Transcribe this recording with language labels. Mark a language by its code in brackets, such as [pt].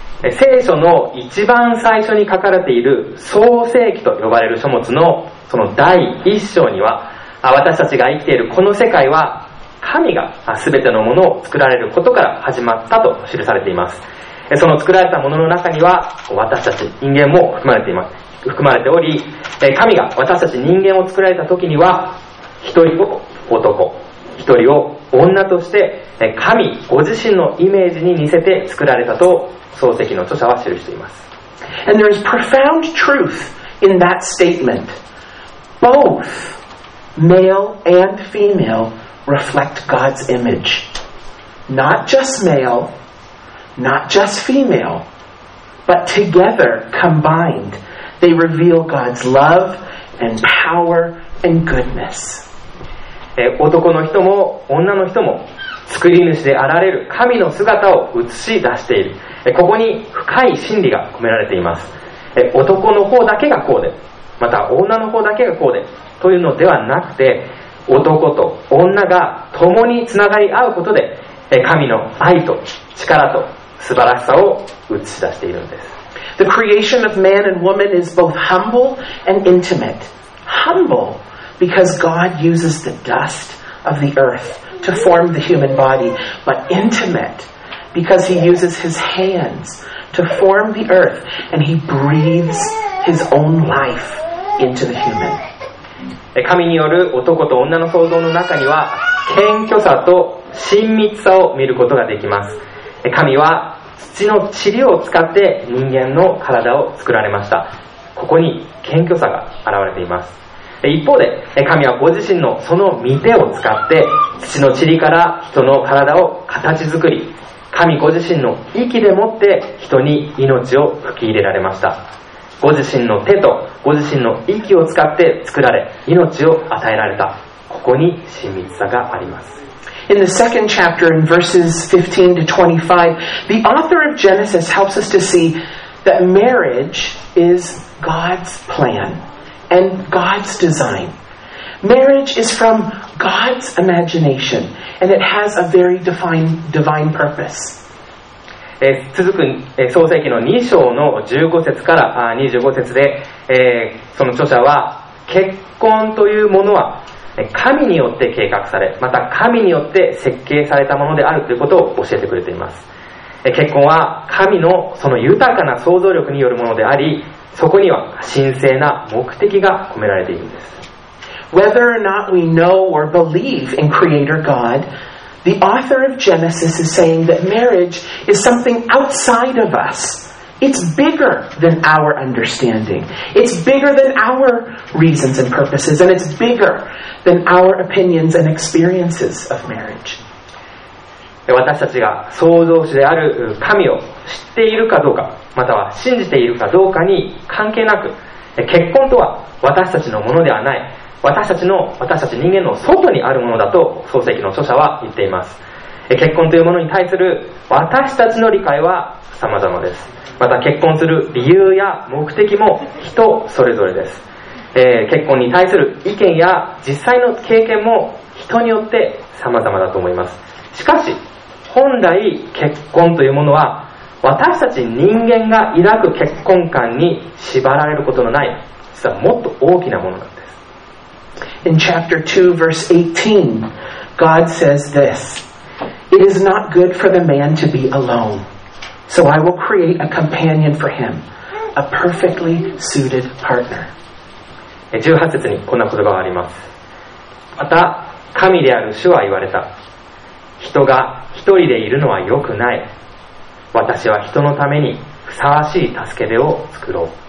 [ja] 聖書の一番最初に書かれている創世記と呼ばれる書物のその第一章には、私たちが生きているこの世界は神が全てのものを作られることから始まったと記されています。その作られたものの中には私たち人間も含まれています。含まれており、神が私たち人間を作られた時には一人を男、一人を女として神ご自身のイメージに似せて作られたと創世記の著者は記しています。 [en] And there is profound truth in that statement. BothMale and female reflect God's image. Not just male, not just female, but together, combined, they reveal God's love and power and goodness. [ja] 男の人も女の人も作り主であられる神の姿を映し出している。ここに深い真理が込められています。男の方だけがこうで、また女の方だけがこうで、というのではなくて、男と女が共につながり合うことで、神の愛と力と素晴らしさを映し出しているんです。 [en] The creation of man and woman is both humble and intimate. Humble because God uses the dust of the earth to form the human body, but intimate because he uses his hands to form the earth and he breathes his own life into the human. [ja] 神による男と女の創造の中には謙虚さと親密さを見ることができます。神は土の塵を使って人間の体を作られました。ここに謙虚さが現れています。一方で神はご自身のその御手を使って土の塵から人の体を形作り、神ご自身の息でもって人に命を吹き入れられました。ご自身の手とご自身の息を使って作られ命を与えられた。ここに親密さがあります。 [en] In the second chapter, in verses 15 to 25, the author of Genesis helps us to see that marriage is God's plan and God's design. Marriage is from God's imagination, and it has a very divine purpose. [ja] 続く創世記の2章の15節から25節で、その著者は結婚というものは神によって計画され、また神によって設計されたものであるということを教えてくれています。結婚は神のその豊かな創造力によるものであり、そこには神聖な目的が込められているんです。 [en] Whether or not we know or believe in Creator God, the author of Genesis is saying that marriage is something outside of us. It's bigger than our understanding. It's bigger than our reasons and purposes, and it's bigger than our opinions and experiences of marriage. [ja] 私たちが創造主である神を知っているかどうか、または信じているかどうかに関係なく、結婚とは私たちのものではない、私たち人間の外にあるものだと創世記の著者は言っています。結婚というものに対する私たちの理解は様々です。また結婚する理由や目的も人それぞれです。結婚に対する意見や実際の経験も人によって様々だと思います。しかし本来結婚というものは私たち人間が抱く結婚観に縛られることのない、実はもっと大きなものなんです。 [en] In chapter 2 verse 18 God says this: It is not good for the man to be alone, so I will create a companion for him, a perfectly suited partner. [ja] 18節にこんな言葉があります。また神である主は言われた。人が一人でいるのは良くない。私は人のためにふさわしい助け手を作ろう。